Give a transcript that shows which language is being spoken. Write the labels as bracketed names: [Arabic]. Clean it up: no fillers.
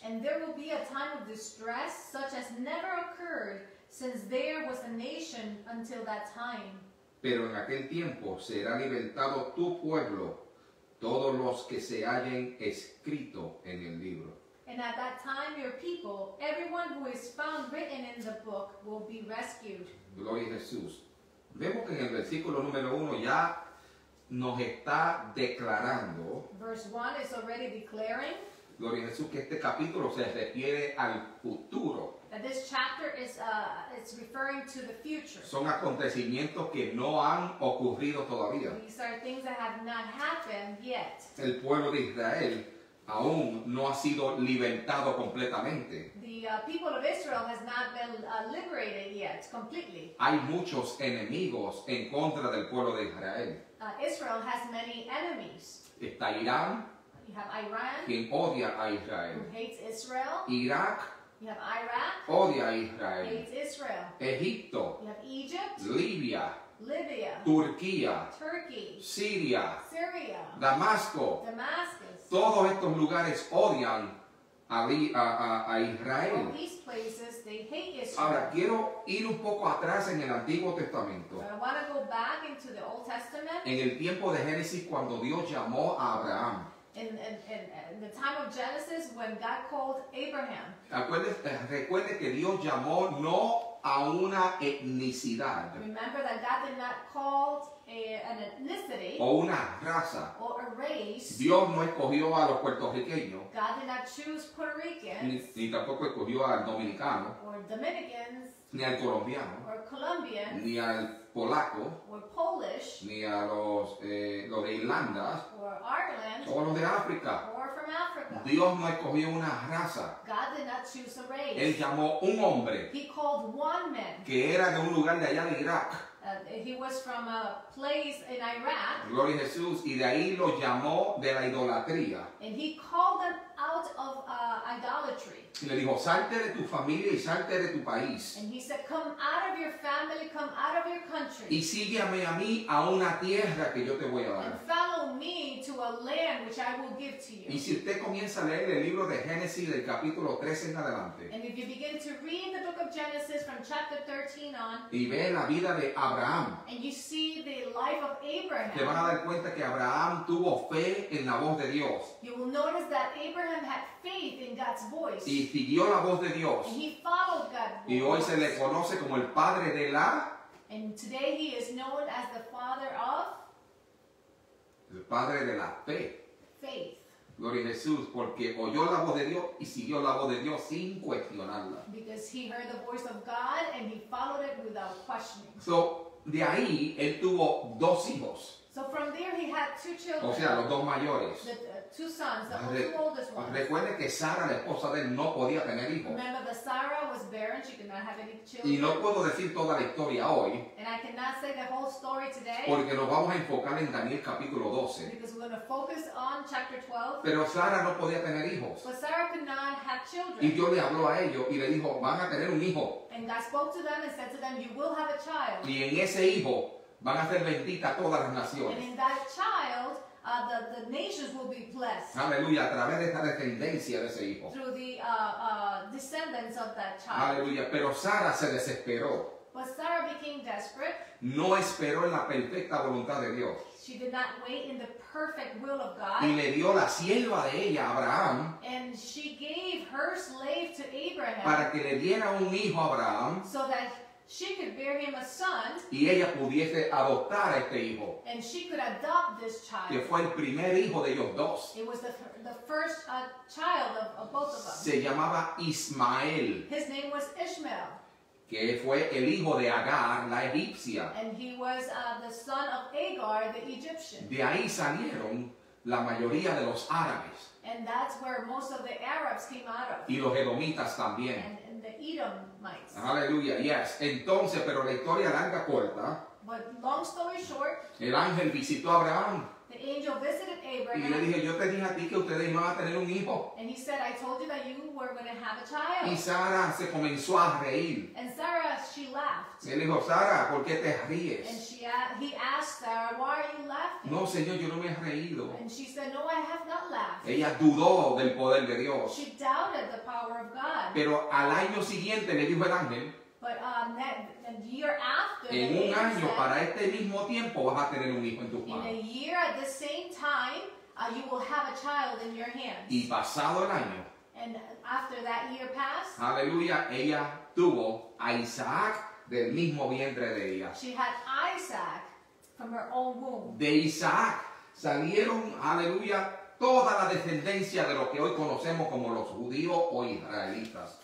[English] And there will be a time of distress such as never occurred since there was a nation until that time. [Spanish] Pero en aquel tiempo será libertado tu pueblo, todos los que se hallen escrito en el libro. [English] And at that time, your people, everyone who is found written in the book, will be rescued. [Spanish] Gloria a Jesús. Vemos que en el versículo número uno ya nos está declarando. [English] Verse 1 is already declaring. [Spanish] Gloria a Jesús, que este capítulo se refiere al futuro. [English] That this chapter is it's referring to the future. [Spanish] Son acontecimientos que no han ocurrido todavía. [English] These are things that have not happened yet. [Spanish] El pueblo de Israel aún no ha sido libertado completamente. [English] The people of Israel has not been liberated yet completely. [Spanish] Hay muchos enemigos en contra del pueblo de Israel. [English] Israel has many enemies. [Spanish] Está Irán. [English] You have Iran. [Spanish] Quien odia a Israel. [English] Who hates Israel. [Spanish] Irak. [English] You have Iraq. [Spanish] Odia a Israel. [English] Hates Israel. [Spanish] Egipto. [English] You have Egypt. [Spanish] Libia. [English] Libya. [Spanish] Turquía. [English] Turkey. [Spanish] Siria. [English] Syria. [Spanish] Damasco. [English] Damascus. [Spanish] Todos estos lugares odian a Israel. [English] All these places, they hate Israel. [Spanish] Ahora, quiero ir un poco atrás en el Antiguo Testamento. [English] So I want to go back into the Old Testament. [Spanish] En el tiempo de Génesis, cuando Dios llamó a Abraham. [English] In the time of Genesis, when God called Abraham. [Spanish] Recuerde que Dios llamó no a una etnicidad. [English] Remember that God did not call an ethnicity. [Spanish] O una raza. [English] Or a race. [Spanish] Dios no escogió a los puertorriqueños. [English] God did not choose Puerto Ricans. [Spanish] Ni tampoco escogió al dominicano. [English] Or Dominicans. [Spanish] ni al colombiano, [English] or Colombian, [Spanish] ni al polaco, [English] or Polish, [Spanish] ni a los de Irlanda, [English] or Ireland, [Spanish] o los de África. Dios no escogió una raza. [English] God did not choose a race. [Spanish] Él llamó un hombre. [English] He called one man. [Spanish] Que era de un lugar de allá de Irak. [English] He was from a place in Iraq. [Spanish] Gloria a Jesús. Y de ahí lo llamó de la idolatría. [English] And he called them out of idolatry. [Spanish] Y le dijo, salte de tu familia y salte de tu país. [English] And he said, come out of your family, come out of your country. [Spanish] Y sígueme a mí a una tierra que yo te voy a dar. [English] And follow me to a land which I will give to you. [Spanish] Y si usted comienza a leer el libro de Génesis del capítulo 13 en adelante. [English] And if you begin to read the book of Genesis from chapter 13 on. [Spanish] Y ve la vida de Abraham. [English] And you see the life of Abraham. [Spanish] Te van a dar cuenta que Abraham tuvo fe en la voz de Dios. [English] You will notice that Abraham had faith in God's voice. [Spanish] Y siguió la voz de Dios. [English] And he followed God's voice. [Spanish] Y hoy se le conoce como el padre de la. [English] And today he is known as the father of. [Spanish] El padre de la fe. [English] Faith. [Spanish] Gloria a Jesús, porque oyó la voz de Dios y siguió la voz de Dios sin cuestionarla. [English] Because he heard the voice of God and he followed it without questioning. [Spanish] So, de ahí, él tuvo dos hijos. [English] So, from there, he had two children. [Spanish] O sea, los dos mayores. [English] The two sons, two oldest ones. [Spanish] Recuerde que Sara, la esposa de él, no podía tener hijos. [English] Remember that Sarah was barren, she could not have any children. [Spanish] Y no puedo decir toda la historia hoy. [English] And I cannot say the whole story today. [Spanish] Porque nos vamos a enfocar en Daniel capítulo 12. [English] Because we're going to focus on chapter 12. [Spanish] Pero Sara no podía tener hijos. [English] But Sarah could not have children. [Spanish] Y Dios le habló a ellos y le dijo, van a tener un hijo. [English] And God spoke to them and said to them, you will have a child. [Spanish] Y en ese hijo van a ser benditas todas las naciones. [English] And in that child, the nations will be blessed. [Spanish] Aleluya, a través de esta descendencia de ese hijo. [English] Through the descendants of that child. [Spanish] Aleluya, pero Sara se desesperó. [English] But Sarah became desperate. [Spanish] No esperó en la perfecta voluntad de Dios. [English] She did not wait in the perfect will of God. [Spanish] Y le dio la sierva de ella, Abraham. [English] And she gave her slave to Abraham. [Spanish] Para que le diera un hijo a Abraham. [English] So that she could bear him a son. [Spanish] Y ella pudiese adoptar a este hijo. [English] And she could adopt this child. [Spanish] Que fue el primer hijo de ellos dos. [English] It was the first child of both of them. [Spanish] Se llamaba Ismael. [English] His name was Ishmael. [Spanish] Que fue el hijo de Agar, la egipcia. [English] And he was the son of Agar, the Egyptian. [Spanish] De ahí salieron la mayoría de los árabes. [English] And that's where most of the Arabs came out of. [Spanish] Y los edomitas también. [English] And the Edomites. [Spanish] Aleluya, yes. Entonces, pero la historia larga corta. [English] But long story short. [Spanish] El ángel visitó a Abraham. [English] The angel visited Abraham. [Spanish] Y le dije, yo te dije a ti que ustedes iban a tener un hijo. [English] And he said, I told you that you were going to have a child. [Spanish] Y Sara se comenzó a reír. [English] And Sarah, she laughed. [Spanish] Y él dijo, Sara, ¿por qué te ríes? [English] And he asked Sarah, why are you laughing? [Spanish] No, señor, yo no me he reído. [English] And she said, no, I have not laughed. [Spanish] Ella dudó del poder de Dios. [English] She doubted the power of God. [Spanish] Pero al año siguiente le dijo el ángel. [English] But the year after, [Spanish] en un [English] angel said, [Spanish] para este mismo tiempo vas a tener un hijo en tus manos. [English] In a year at the same time, you will have a child in your hands. [Spanish] Y pasado el año. [English] And after that year passed. [Spanish] Aleluya, ella tuvo a Isaac del mismo vientre de ella. [English] She had Isaac from her own womb. [Spanish] De Isaac salieron, aleluya, toda la descendencia de lo que hoy conocemos como los judíos o israelitas.